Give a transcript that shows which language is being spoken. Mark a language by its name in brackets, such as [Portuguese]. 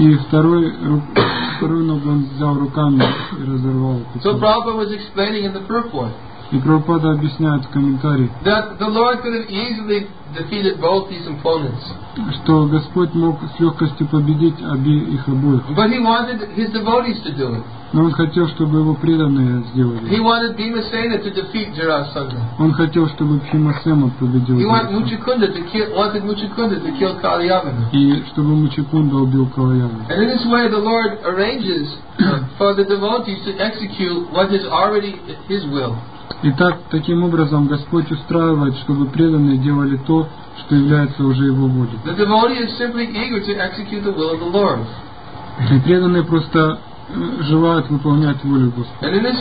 [Russian] И вторую ногу он взял руками и разорвал. [English] So Prabhupada was explaining in the purport. [Russian] И Прабхупада объясняет в комментарии, [English] that the Lord could have easily defeated both these opponents. [Russian] Что Господь мог с легкостью победить их обоих. [English] But he wanted his devotees to do it. [Russian] Но он хотел, чтобы его преданные сделали. [English] He wanted Bhima Sena to defeat Jarasandha. [Russian] Он хотел, чтобы Бхима Сена победил. [English] Wanted Muchikunda to kill Kalyavana. [Russian] И чтобы Мучикунда убил Калаяну. [English] And in this way the Lord arranges for the devotees to execute what is already his will. [Russian] И так, таким образом, Господь устраивает, чтобы преданные делали то, что является уже Его волей. И преданные просто желают выполнять волю Господа.